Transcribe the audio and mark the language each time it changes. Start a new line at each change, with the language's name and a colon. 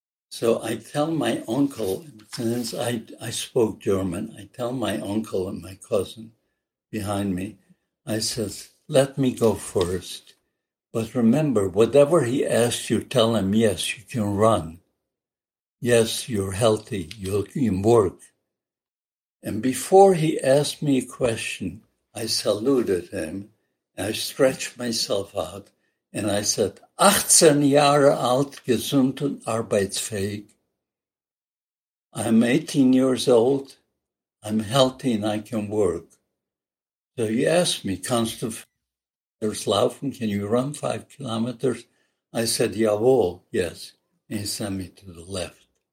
English: So I tell my uncle, since I spoke German, I tell my uncle and my cousin behind me, I said, let me go first. But remember, whatever he asks you, tell him, yes, you can run. Yes, you're healthy. You'll work. And before he asked me a question, I saluted him. I stretched myself out and I said,
German: 18 Jahre alt, gesund und arbeitsfähig.
English: I'm 18 years old, I'm healthy and I can work. So he asked me, Konstantin, can you run 5 kilometers? I said, jawohl, yes. And he sent me to the left.